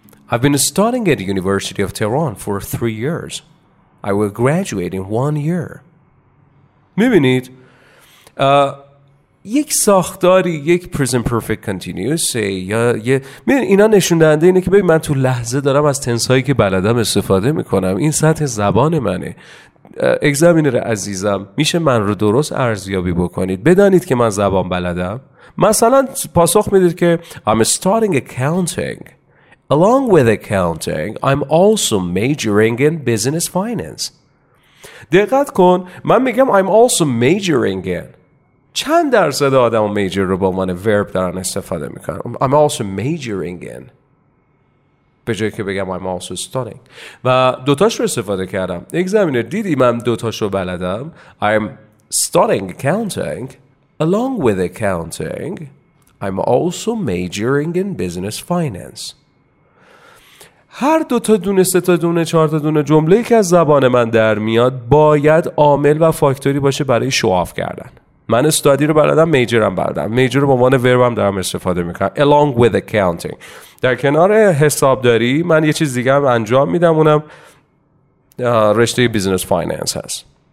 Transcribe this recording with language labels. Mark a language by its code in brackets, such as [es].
[en] I've been studying at the University of Tehran for 3 years. I will graduate in 1 year. [fa] میبینید؟ یک ساختاری، یک present perfect continuous اینا نشوندنده اینه که ببین من تو لحظه دارم از تنسایی که بلدم استفاده میکنم. این سطح زبان منه. اگزامینر عزیزم، میشه من رو درست ارزیابی بکنید؟ بدانید که من زبان بلدم. مثلا پاسخ میدید که [en] I'm starting accounting. Along with accounting, I'm also majoring in business finance. [fa] دقت کن، من میگم [en] I'm also majoring in. [fa] چند درصد آدم و major رو با من verb دارن استفاده میکنن؟ [en] I'm also majoring in. [fa] به جایی که بگم [en] I'm also studying. [fa] و دوتاش رو استفاده کردم. Examiner دیدی من دوتاش رو بلدم. [en] I'm studying accounting. Along with accounting, I'm also majoring in business finance. [fa] هر دوتا دونه، سه تا دونه، چهار تا دونه جمله‌ای که از زبان من در میاد باید عامل و فاکتوری باشه برای شواف کردن. من استادی رو بلدم، میجرم بلدم. میجر رو به عنوان وربم دارم استفاده میکنم. [en] Along with accounting. [fa] در کنار حسابداری من یه چیز دیگه هم انجام میدم، اونم رشته بیزنس فایننس هست.